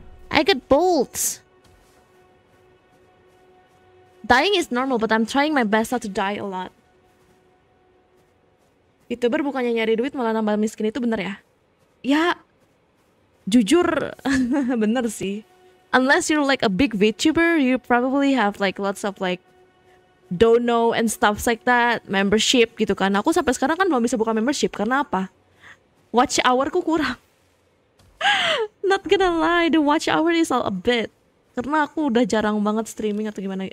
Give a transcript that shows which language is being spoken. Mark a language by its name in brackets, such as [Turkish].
[English] I got bolts. Dying is normal, but I'm trying my best not to die a lot. [Indonesian] YouTuber bukannya nyari duit malah nambah miskin itu benar ya? Ya, jujur benar sih. [English] Unless you're like a big VTuber, you probably have like lots of like dono and stuff like that, [Indonesian] membership gitu kan. Aku sampai sekarang kan belum bisa buka membership karena apa? Watch hourku kurang. [English] Not gonna lie, the watch hour is all a bit. [Indonesian] Karena aku udah jarang banget streaming atau gimana.